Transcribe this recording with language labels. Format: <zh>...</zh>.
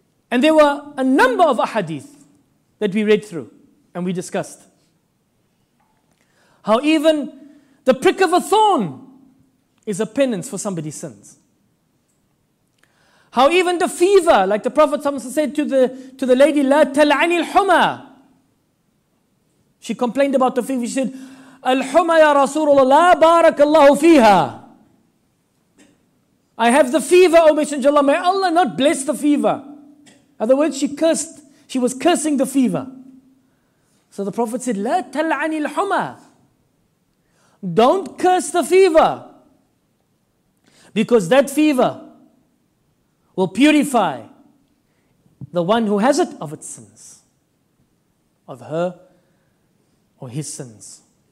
<en>And there were a number of ahadith that we read through and we discussed how even the prick of a thorn is a penance for somebody's sins. How even the fever, like the Prophet said to the lady,</en> <ar>لا تلعني الحمى.</ar> <en>She complained about the fever. She said,</en> <ar>الحمى يا رسول الله لا بارك الله فيها.</ar> <en>I have the fever, O Messenger Allah. May Allah not bless the fever. In other words, she was cursing the fever. So the Prophet said,</en> <ar>لا تلعني الحمى.</ar> <en>Don't curse the fever, because that fever will purify the one who has it of its sins, of her or his sins.</en>